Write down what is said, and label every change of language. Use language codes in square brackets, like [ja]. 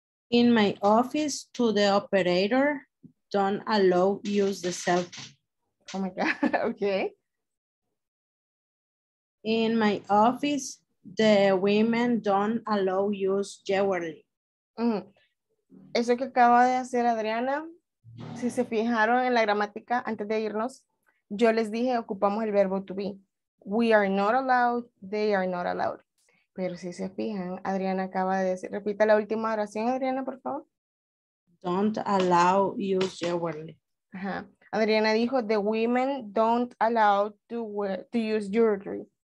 [en] In my office, to the operator, don't allow to use the cell phone. Oh my God, okay. In my office, the women don't allow use jewelry. Mm. [es] Eso que acaba de hacer Adriana, si se fijaron en la gramática antes de irnos, yo les dije ocupamos el verbo to be. [en] We are not allowed, they are not allowed. [es] Pero si se fijan, Adriana acaba de decir, repita la última oración, Adriana, por favor. [en] Don't allow use jewelry. Ajá. Adriana dijo, the women don't allow to use jewelry.